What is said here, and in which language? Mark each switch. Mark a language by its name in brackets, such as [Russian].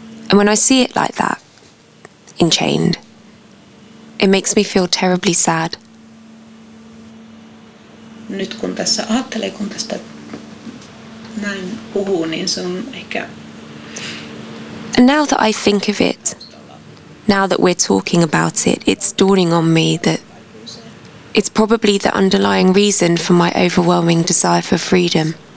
[English] And when I see it like that, enchained, it makes me feel terribly sad. [Finnish] Nyt kun tässä ajattelee, kun tästä näin puhuu, niin se on ehkä. [English] And now that I think of it, now that we're talking about it, it's dawning on me that it's probably the underlying reason for my overwhelming desire for freedom.